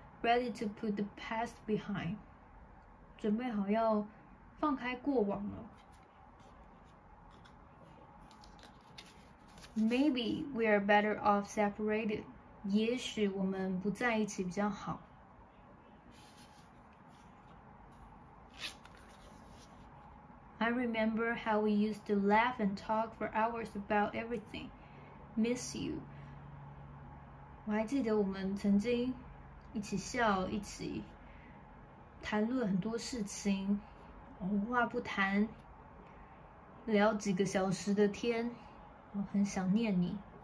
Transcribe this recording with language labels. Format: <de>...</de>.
<en>Ready to put the past behind，</en> <zh>准备好要放开过往了。</zh> <en>Maybe we are better off separated.</en> <zh>也许我们不在一起比较好。</zh> <en>I remember how we used to laugh and talk for hours about everything. Miss you.</en> <zh>我还记得我们曾经一起笑，一起谈论很多事情，无话不谈，聊几个小时的天。我很想念你。</zh>